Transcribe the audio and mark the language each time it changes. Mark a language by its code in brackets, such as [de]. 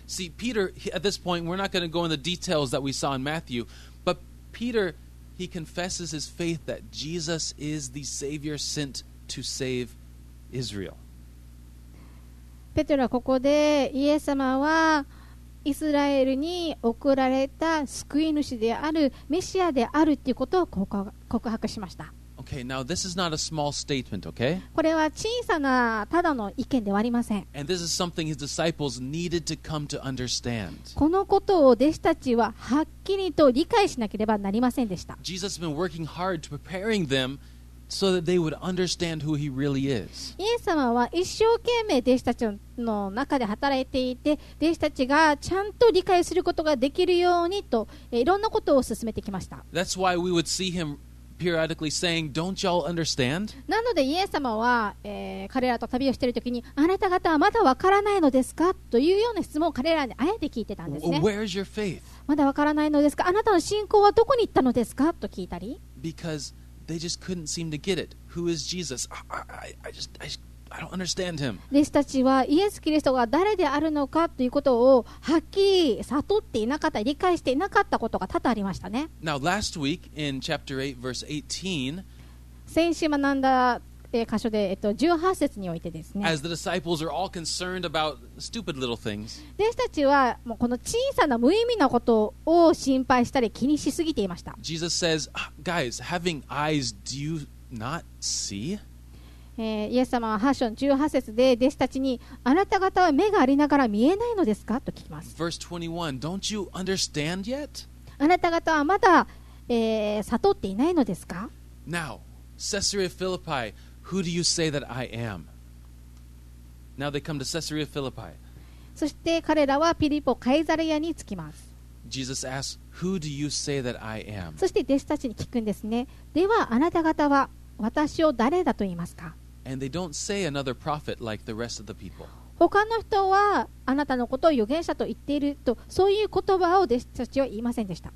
[en] See, Peter, at this point, we're not going to go into the details that we saw in Matthew, but Peter, he confesses his faith that Jesus is the Savior sent to save Israel. [ja] ペテロはここでイエス様はイスラエルに送られた救い主であるメシアであるということを告白しました。 [en] Okay, now this is not a small statement, okay? [ja] これは小さなただの意見ではありません。 [en] And this is something his disciples needed to come to understand. [ja] このことを弟子たちははっきりと理解しなければなりませんでした。 [en] Jesus has been working hard to preparing them so that they would understand who he really is. [ja] イエス様は一生懸命弟子たちの中で働いていて、弟子たちがちゃんと理解することができるようにといろんなことを進めてきました。 [en] That's why we would see him. Periodically saying, "Don't y'all understand?" [ja] なのでイエス様は、彼らと旅をしているときに、あなた方はまだわからないのですかというような質問を彼らにあえて聞いてたんですね。 [en] Where's your faith? [ja] まだわからないのですか。あなたの信仰はどこに行ったのですかと聞いたり。 [en] Because they just couldn't seem to get it. Who is Jesus? I don't understand him. [ja] 弟子たちはイエス・キリストが誰であるのかということをはっきり悟っていなかった、理解していなかったことが多々ありましたね。 [en] Now, last week in chapter 8, verse 18, [ja] 先週学んだ箇所で、18節においてですね、 [en] As the disciples are all concerned about stupid little things, [ja] 弟子たちはもうこの小さな無意味なことを心配したり気にしすぎていました。 [en] Jesus says, Guys, having eyes, do you not see? [ja] イエス様は8章の18節で弟子たちにあなた方は目がありながら見えないのですかと聞きます。 [en] Verse 21, Don't you understand yet? [ja] あなた方はまだ、悟っていないのですか。 [en] Now, Caesarea Philippi, who do you say that I am? Now they come to Caesarea Philippi. [ja] そして彼らはピリポカイザリアに着きます。 [en] Jesus asks, who do you say that I am? [ja] そして弟子たちに聞くんですね。ではあなた方は私を誰だと言いますか。 [en] And they don't say another prophet like the rest of the people. [ja] 他の人はあなたのことを預言者と言っていると、そういう言葉を弟子たちは言いませんでした。